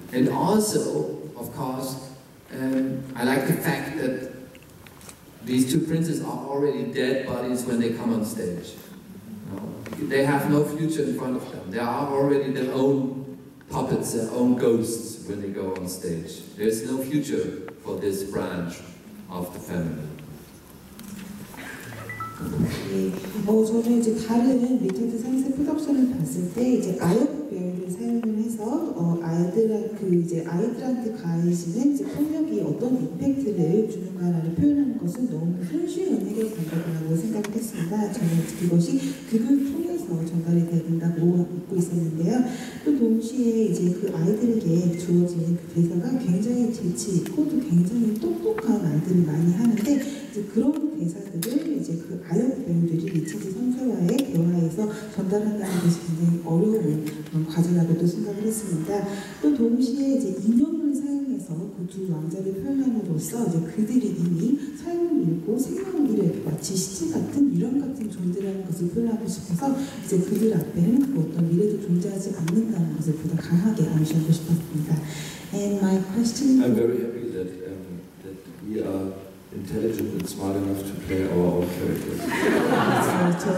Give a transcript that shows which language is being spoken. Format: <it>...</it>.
<en>And also, of course, I like the fact that these two princes are already dead bodies when they come on stage. No? They have no future in front of them. They are already their own puppets, their own ghosts when they go on stage. There is no future for this branch of the family.</en> <ko>네, 저는 이제 다른 리처드 3세 프로덕션을 봤을 때 이제 아역 배우를 사용을 해서 아이들한테 가해지는 이제 폭력이 어떤 임팩트를 주는가를 표현하는 것은 너무 현실적인 해결 방법이라고 생각했습니다. 저는 그것이 극을 통해서 전달이 된다고 믿고 있었는데요. 또 동시에 이제 그 아이들에게 주어지는 그 대사가 굉장히 재치 있고 또 굉장히 똑똑한 아이들을 많이 하는데 이제 그런 대사들을 이제 그 아역 배우들이 리처드 3세와의 대화에서 전달한다는 것이 굉장히 어려운 과제라고도 생각을 했습니다. 또 동시에 이제 인형을 사용해서 그 두 왕자를 표현함으로써 이제 그들이 이미 삶을 잃고 생명을 잃고 마치 시체 같은 유령 같은 존재라는 것을 표현하고 싶어서 이제 그들 앞에는 그 어떤 미래도 존재하지 않는다는 것을 보다 강하게 암시하고 싶었습니다.</ko> <en>And my question. I'm very happy that that we are intelligent and smart enough to play our own characters.</en>